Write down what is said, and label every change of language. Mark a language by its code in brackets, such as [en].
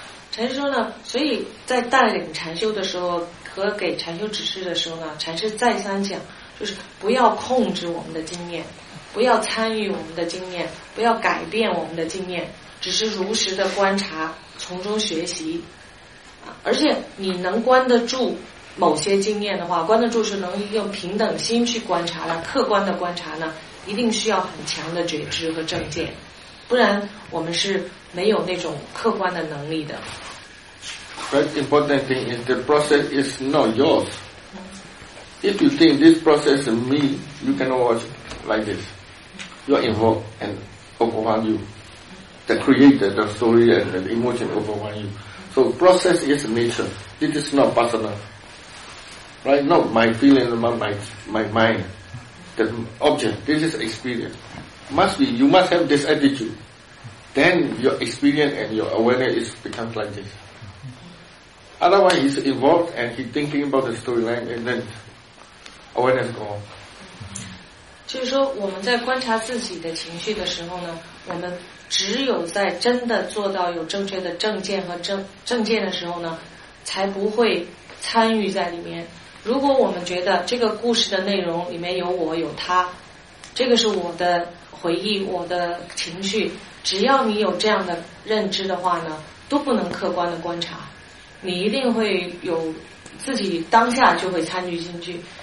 [zh] 禅师说呢，所以在带领禅修的时候和给禅修指示的时候呢，禅师再三讲，就是不要控制我们的经验，不要参与我们的经验，不要改变我们的经验，只是如实的观察，从中学习。而且你能关得住，某些经验的话，观照住是能用平等心去观察呢，客观的观察呢，一定需要很强的觉知和正见，不然我们是没有那种客观的能力的。 [en] Very important thing is the process is not yours. If you think this process is me, you cannot watch like this. You're involved and overwhelm you. The creator, the story and the emotion overwhelm you. So process is nature. This is not personal. Right? Not my feeling, not my mind. The object, this is experience. Must be, you must have this attitude. Then your experience and your awareness is becomes like this. Otherwise, he's involved and he's thinking about the storyline and then awareness gone. [zh] 就是说我们在观察自己的情绪的时候呢，我们只有在真的做到有正确的正见和正见的时候呢，才不会参与在里面。如果我们觉得这个故事的内容里面有我有他，这个是我的回忆，我的情绪，只要你有这样的认知的话呢，都不能客观的观察，你一定会有自己当下就会参与进去。